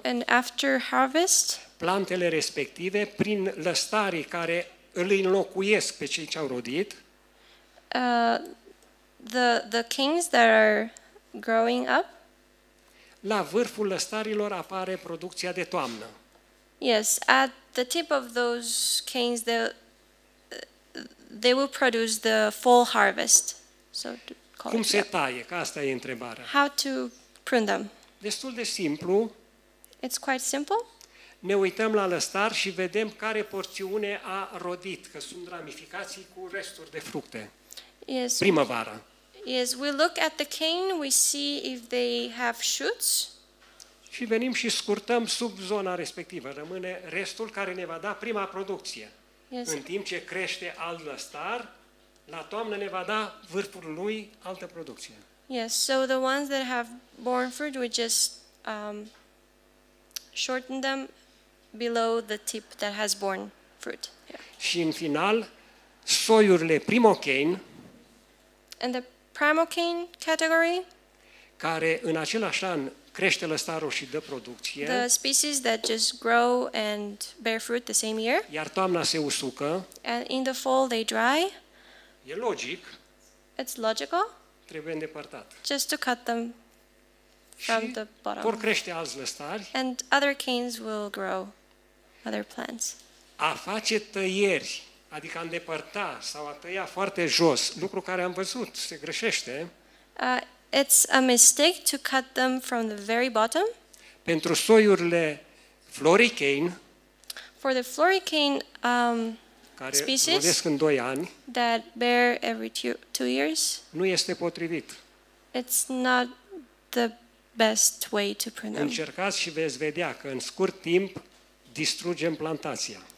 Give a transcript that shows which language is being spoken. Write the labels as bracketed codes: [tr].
[en] and after harvest, [ro] plantele respective, prin lăstarii care îl înlocuiesc pe cei ce au rodit, [en] the canes that are growing up, [ro] la vârful lăstarilor apare producția de toamnă. [en] Yes, at the tip of those canes they will produce the fall harvest. So [ro] call cum it, se taie? Că asta e întrebarea. [en] How to prune them? [ro] Destul de simplu. [en] It's quite simple. [ro] Ne uităm la lăstar și vedem care porțiune a rodit, că sunt ramificații cu resturi de fructe. [en] Yes. [ro] Primăvara. [en] Yes, we look at the cane, we see if they have shoots. [ro] Și venim și scurtăm sub zona respectivă. Rămâne restul care ne va da prima producție. [en] Yes. [ro] În timp ce crește alt lăstar, la toamnă ne va da vârful lui altă producție. [en] Yes, so the ones that have borne fruit, we just shorten them below the tip that has borne fruit. [ro] Și în final, soiurile primocaine. [en] And the primocaine category, [ro] care în același an crește lăstarul și dă producție. [en] The species that just grow and bear fruit the same year. [ro] Iar toamna se usucă. [en] And in the fall they dry. [ro] E logic. [en] It's logical. [ro] Trebuie îndepărtat. [en] Just to cut them from the bottom. [ro] Vor crește alți lăstari. [en] And other canes will grow other plants. [ro] A face tăieri, adică a îndepărta sau a tăia foarte jos, lucru care am văzut, se greșește. [en] It's a mistake to cut them from the very bottom. [ro] Pentru soiurile floricane. [en] For the floricane species [ro] care rodesc în 2 ani, [en] that bear every 2 years. [ro] Nu este potrivit. [en] It's not the best way to prune them. [ro] Încercați și veți vedea că în scurt timp distrugem plantația.